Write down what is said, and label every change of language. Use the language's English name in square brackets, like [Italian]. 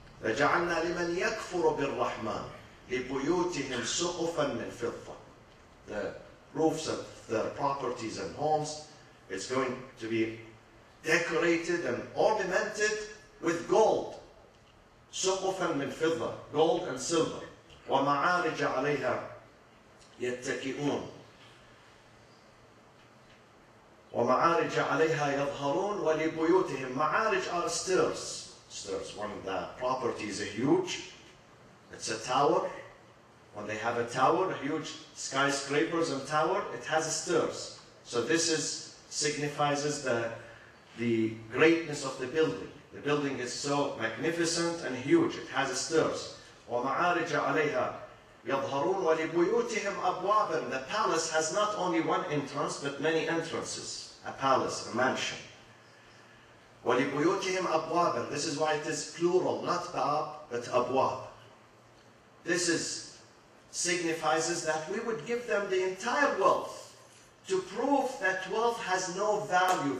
[Arabic] لَجَعَلْنَا لِمَنْ يَكْفُرُ بِالرَّحْمَنِ لِبُيُوتِهِمْ سُقُفًا مِنْ فِضَّةٍ. [English] The roofs of their properties and homes, it's going to be decorated and ornamented with gold. [Arabic] سُقُفًا مِنْ فِضَّةٍ, [English] gold and silver. [Arabic] وَمَعَارِجَ عَلَيْهَا يَتَّكِئُونَ ومعارج عليها يظهرون ولبيوتهم. [English] معارج are stairs. Stairs, one of the properties, a huge, it's a tower. When they have a tower, a huge skyscrapers and tower, it has stairs. So this is signifies the greatness of the building. The building is so magnificent and huge, it has stairs. [Arabic] ومعارج عليها يظهرون ولبيوتهم أبوابا. [English] The palace has not only one entrance, but many entrances. A palace, a mansion. [Arabic] وَلِبُيُوتِهِمْ أَبْوَابًا. [English] This is why it is plural, not baab, but abwab. This is signifies that we would give them the entire wealth to prove that wealth has no value.